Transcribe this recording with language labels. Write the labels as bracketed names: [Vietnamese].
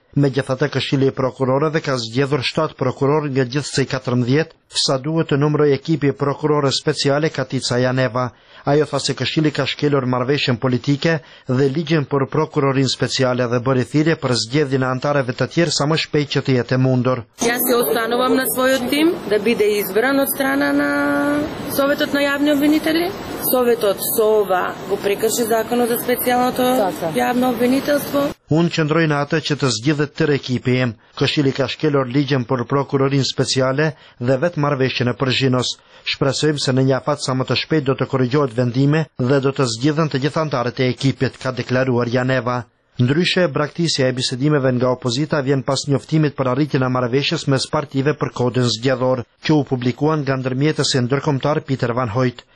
[Albanian] Megjithatë, Këshilli i Prokurorëve ka zgjedhur 7 prokurorë nga gjithsej 14, sa duhet të numëroj ekipi prokurore speciale Katica Janeva. Ajo tha se Këshilli ka shkelur marrëveshjen politike dhe ligjin për prokurorin speciale dhe bëri thirrje për zgjedhjen e anëtarëve të tjerë sa më shpejt që të jetë e mundur. [Macedonian] Останувам на својот тим да биде избран од страна на Советот на јавни обвинители. Советот СОВА го прекрши законот за специјалното јавно обвинителство. [Albanian] Unë qëndroj në atë që të zgjidhet tër ekipi im. Këshilli ka shkelur ligjen për prokurorin speciale dhe vetë marrëveshjen e përgjinos. Shpresojmë se në një afat sa më të shpejt do të korrigjohet vendimi dhe do të zgjidhen të gjithë anëtarët e ekipit, ka deklaruar Janeva. Ndryshe, braktisja e bisedimeve nga opozita vjen pas njoftimit për arritjen e marrëveshjes mes partive për kodin zgjedhor, që u publikuan nga ndërmjetës e ndërkombëtar Peter Van Hoyt.